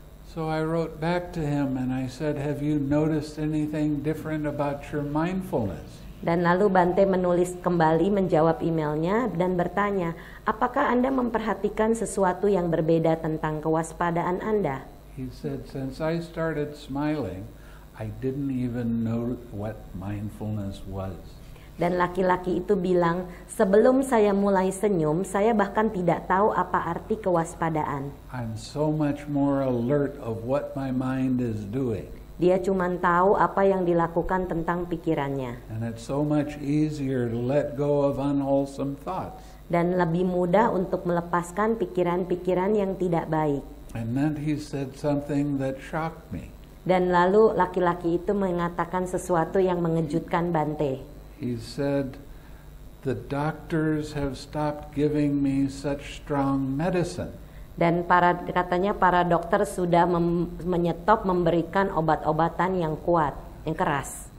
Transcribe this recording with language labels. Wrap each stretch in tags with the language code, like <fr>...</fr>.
<en>So I wrote back to him and I said, have you noticed anything different about your mindfulness?</en> <id>Dan lalu Bante menulis kembali, menjawab emailnya dan bertanya, apakah Anda memperhatikan sesuatu yang berbeda tentang kewaspadaan Anda?</id> <en>He said, since I started smiling, I didn't even know what mindfulness was.</en> <id>Dan laki-laki itu bilang, sebelum saya mulai senyum, saya bahkan tidak tahu apa arti kewaspadaan.</id> <en>I'm so much more alert of what my mind is doing.</en> <id>Dia cuma tahu apa yang dilakukan tentang pikirannya.</id> <en>And it's so much easier to let go of unwholesome thoughts.</en> <id>Dan lebih mudah untuk melepaskan pikiran-pikiran yang tidak baik.</id> <en>And then he said something that shocked me.</en> <id>Dan lalu laki-laki itu mengatakan sesuatu yang mengejutkan Bante.</id> <en>He said, the doctors have stopped giving me such strong medicine.</en> <id>Dan katanya para dokter sudah menyetop memberikan obat-obatan yang kuat, yang keras.</id>